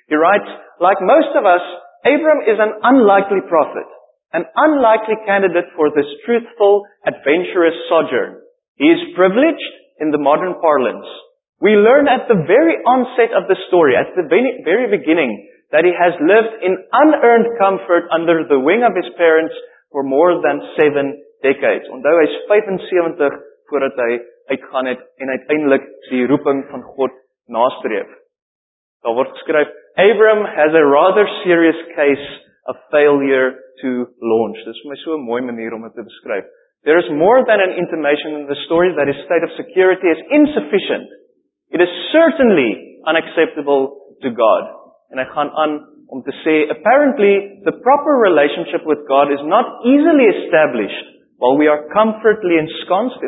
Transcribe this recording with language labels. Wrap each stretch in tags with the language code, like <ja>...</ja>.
<en>He writes, like most of us, Abram is an unlikely prophet, an unlikely candidate for this truthful, adventurous sojourn. He is privileged in the modern parlance. We learn at the very onset of the story, at the very beginning, that he has lived in unearned comfort under the wing of his parents for more than 7 decades.</en> <af>Onthou, hy is 75 voordat hy uitgaan het en uiteindelik die roeping van God nastreef. Daar word geskryf,</af> <en>Abram has a rather serious case of failure to launch.</en> <af>Dit is vir my so 'n mooi manier om dit te beskryf.</af> <en>There is more than an intimation in the story that his state of security is insufficient. It is certainly unacceptable to God.</en> <af>En ek gaan aan om te sê,</af> <en>apparently the proper relationship with God is not easily established while we are comfortably ensconced.</en>